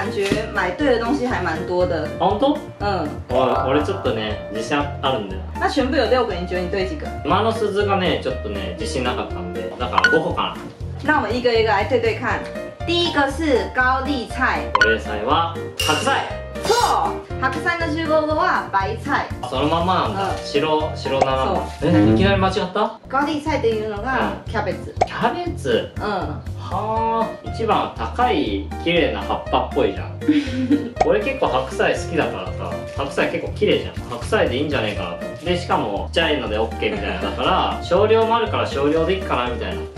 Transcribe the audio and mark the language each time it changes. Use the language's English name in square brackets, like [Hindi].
[Chinese] 只看这样子的话，感觉买对的东西还蛮多的。 [Japanese] 本当？嗯。我ちょっとね自信あるんだよ。 [Chinese] 那全部有6个，你觉得你对几个？ [Japanese] 馬の鈴がねちょっとね自信なかったんで、だから5個かな。 [Chinese] 那我们一个一个来对对看。第一个是高丽菜。 [Japanese] 高丽菜は白菜。 [Chinese] 错， [Japanese] 白菜の中国語は白菜。そのままなんだ。白なら。いきなり間違った？高丽菜というのがキャベツ。キャベツ。うん。あ、一番高い綺麗な葉っぱっぽいじゃん。俺結構白菜好きだからさ、白菜結構綺麗じゃん。白菜でいいんじゃねえかなと。でしかもちっちゃいので OK みたいな。だから少量もあるから少量でいいかなみたいな。